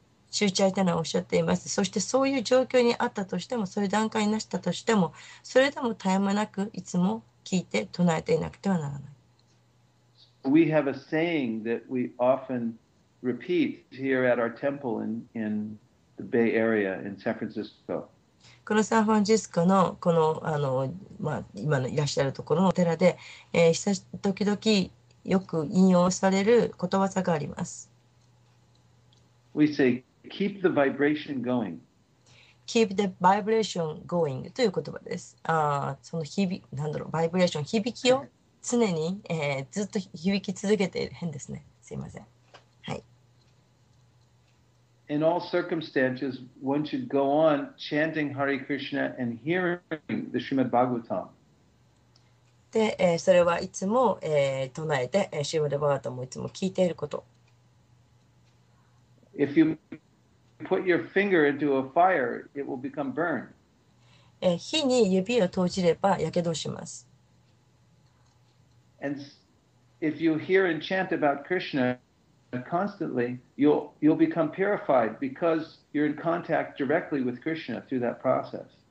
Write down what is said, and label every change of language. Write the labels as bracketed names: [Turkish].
[Japanese] シュチャイタナはおっしゃっています。そしてそういう状況にあったとしても、そういう段階になったとしても、それでも絶え間なくいつも聞いて唱えていなくてはならない。 [English] We have a saying that we often repeat here at our temple in the Bay Area in San Francisco. [Japanese] このサンフランシスコのこの、まあ、今のいらっしゃるところのお寺で、時々よく引用されることわざがあります。 [English] We say, keep the vibration going. Keep the vibration going [Japanese] という言葉です。その何だろう、バイブレーション、響きを常に、ずっと響き続けている。変ですね。すいません。 [English] In all circumstances, one should go on chanting Hare Krishna and hearing the Srimad Bhagavatam. [Japanese] で、それはいつも、唱えて、Srimad Bhagavatam をいつも聞いていること。 [English] If you put your finger into a fire, it will become burned. [Japanese] 火に指を閉じれば、やけどします。 [English] And if you hear and chant about Krishna constantly, you'll become purified because you're in contact directly with Krishna through that process.